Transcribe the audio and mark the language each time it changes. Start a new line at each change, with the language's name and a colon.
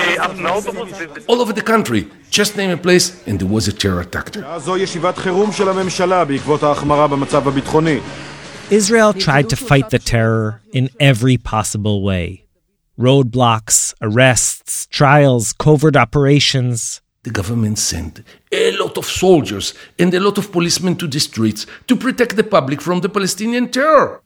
English: All over the country. Just name a place, and there was a terror attack.
Hebrew: זו ישיבת חירום של הממשלה בעקבות ההחמרה במצב הביטחוני.
English: Israel tried to fight the terror in every possible way. Roadblocks, arrests, trials, covert operations. The government sent a lot of soldiers and a lot of policemen to the streets to protect the public from the Palestinian terror.